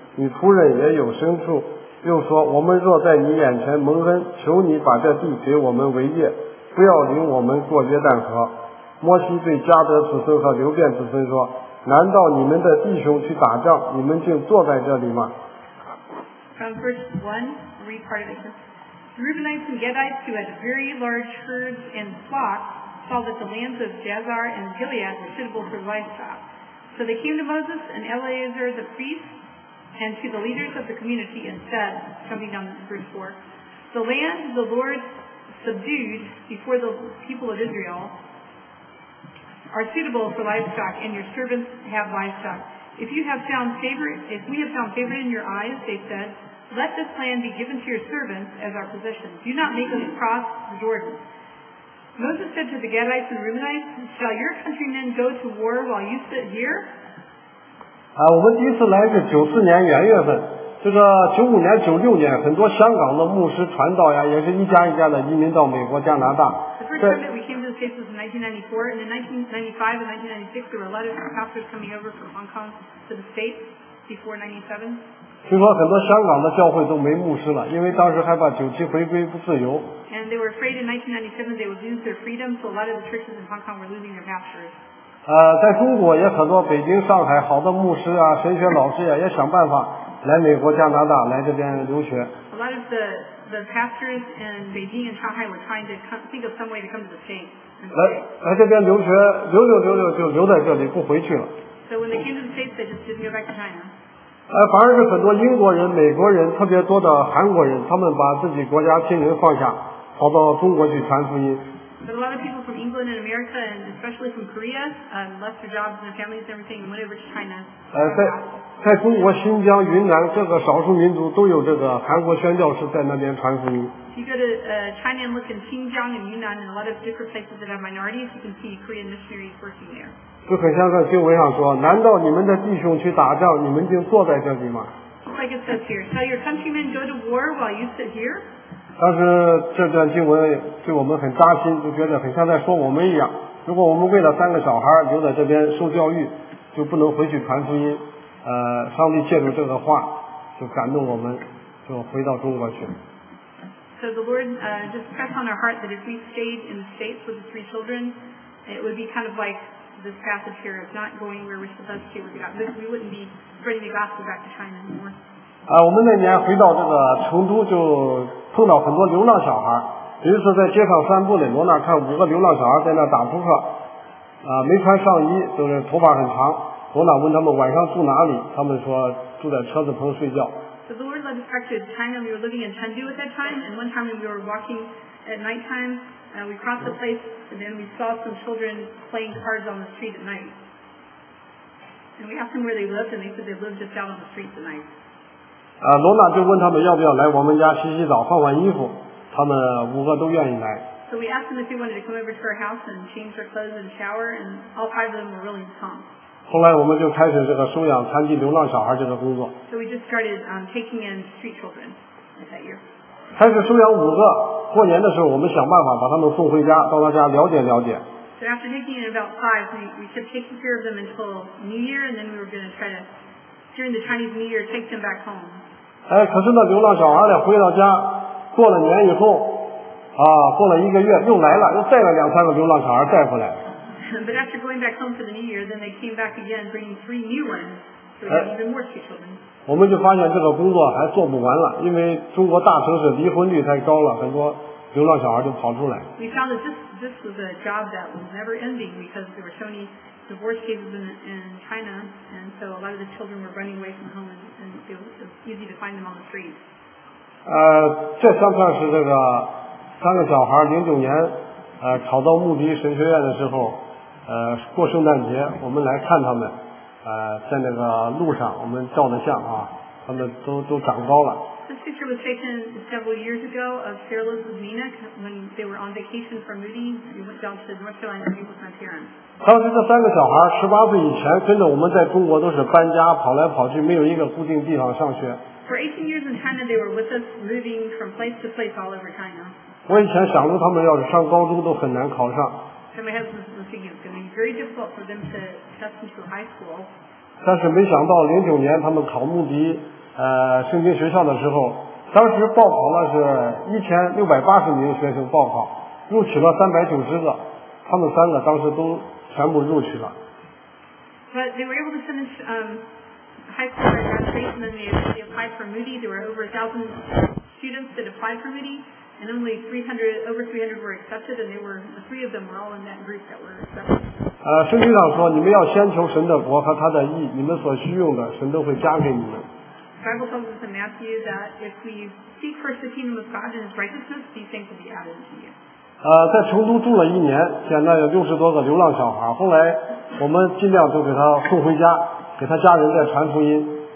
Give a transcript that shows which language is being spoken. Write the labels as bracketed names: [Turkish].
[Chinese] 你仆人也有牲畜，又说我们若在你眼前蒙恩，求你把这地给我们为业，不要领我们过约旦河。摩西对加德子孙和流便子孙说，难道你们的弟兄去打仗，你们竟坐在这里吗？ [English] From verse 1, read part of it. The Reubenites and Gadites, who had very large herds and flocks, saw that the lands of Jazer and Gilead were suitable for livestock. So they came to Moses and Eleazar the priest,and to the leaders of the community and said, jumping down to verse 4, the land the Lord subdued before the people of Israel are suitable for livestock, and your servants have livestock. If you have found favor, if we have found favor in your eyes, they said, let this land be given to your servants as our possession. Do not make us cross the Jordan. Moses said to the Gadites and Reubenites, shall your countrymen go to war while you sit here? [Chinese] 我们第一次来是94年元月份，这个95年96年，很多香港的牧师传道呀，也是一家一家的移民到美国加拿大。 [English] The first time that we came to the States was in 1994, and in 1995 and 1996 there were a lot of pastors coming over from Hong Kong to the States before 1997. [Chinese] 听说很多香港的教会都没牧师了，因为当时害怕97回归不自由。 [English] And they were afraid in 1997 they would lose their freedom, so a lot of the churches in Hong Kong were losing their pastors. [Chinese] 在中国也很多北京上海好的牧师啊神学老师啊也想办法来美国加拿大来这边留学。 [English] A lot of the pastors in Beijing and Shanghai were trying to come, think of some way to come to the States. [Chinese] 来这边留学留就留在这里不回去了。 [English] So when they came to the States, they just didn't go back to China. [Chinese] 反而是很多英国人美国人特别多的韩国人，他们把自己国家亲人放下跑到中国去传福音。 [English] But a lot of people from England and America, and especially from Korea, left their jobs and their families and everything and went over to China. [Chinese] 在中国新疆云南各个少数民族都有这个韩国宣教士在那边传福音。 [English] If you go to China and look in Xinjiang and Yunnan and a lot of different places that have minorities, you can see Korean missionaries working there. [Chinese] 就很像在经文上说，难道你们的弟兄去打仗，你们就坐在这里吗？ [English] Like it says here, shall your countrymen go to war while you sit here? [Chinese] 当时这段经文对我们很扎心，就觉得很像在说我们一样，如果我们为了三个小孩留在这边受教育，就不能回去传福音。上帝借助这个话就感动我们，就回到中国去。 [English] So the Lord just pressed on our heart that if we stayed in the States with the three children, it would be kind of like this passage here of not going where we're supposed to. We wouldn't be spreading the gospel back to China anymore. [Chinese] 我们那年回到这个成都，就碰到很多流浪小孩。有一次在街上散步，我那看五个流浪小孩在那打扑克，没穿上衣，就是头发很长。我那问他们晚上住哪里，他们说住在车子棚睡觉。 [English] So the Lord led us back to China. We were living in Chengdu at that time, and one time we were walking at night time, and we crossed the place, and then we saw some children playing cards on the street at night. And we asked them where they lived, and they said they lived just down on the street at night. [Chinese] 罗娜就问他们要不要来我们家洗洗澡换换衣服，他们五个都愿意来。 [English] So we asked them if they wanted to come over to our house and change their clothes and shower, and all five of them were willing to come. [Chinese] 后来我们就开始这个收养残疾流浪小孩这个工作。 [English] So we just started taking in street children that year. [Chinese] 开始收养五个，过年的时候我们想办法把他们送回家，到他家了解了解。 [English] So after taking in about five, we kept taking care of them until New Year, and then we were going to try to, during the Chinese New Year, take them back home. [Chinese] 可是那流浪小孩呢回到家过了年以后过了一个月又来了，又带了两三个流浪小孩带回来。 [English] But after going back home for the New Year, then they came back again bringing three new ones, so we had even more street children. [Chinese] 我们就发现这个工作还做不完了，因为中国大城市离婚率太高了，很多流浪小孩就跑出来。 [English] We found that this was a job that was never ending because there were so many divorce cases in China, and so a lot of the children were running away from home and it was easy to find them on the street. [Chinese] 这算不算是这个三个小孩09年考到牧笛神学院的时候过圣诞节我们来看他们在那个路上我们照的相他们都长高了。 [English] This picture was taken several years ago of Sarah Elizabeth Meenick when they were on vacation from Moody. We went down to North Carolina and visited my parents. [Chinese] 当时这三个小孩18岁以前跟着我们在中国都是搬家跑来跑去，没有一个固定地方上学。 [English] For 18 years in China, they were with us moving from place to place all over China. [Chinese] 我以前想着他们要是上高中都很难考上。 [English] So my husband was thinking it's going to be very difficult for them to test into high school. [Chinese] 但是没想到09年他们考牧笛圣经学校的时候，当时报考了是1680名学生报考，录取了390个，他们三个当时都全部录取了。 [English] But they were able to finish high school graduation, and they applied for Moody. There were over 1,000 students that applied for Moody, and only over 300 were accepted, and three of them were all in that group that were accepted. [Chinese] 圣经上说，你们要先求神的国和他的义，你们所需用的，神都会加给你们。 [English] The Bible tells us in Matthew that if we seek first the kingdom of God and His righteousness, these things will be added to you. [Chinese] 在成都住了一年，现在有60多个流浪小孩。后来我们尽量都给他送回家，给他家人再传福音。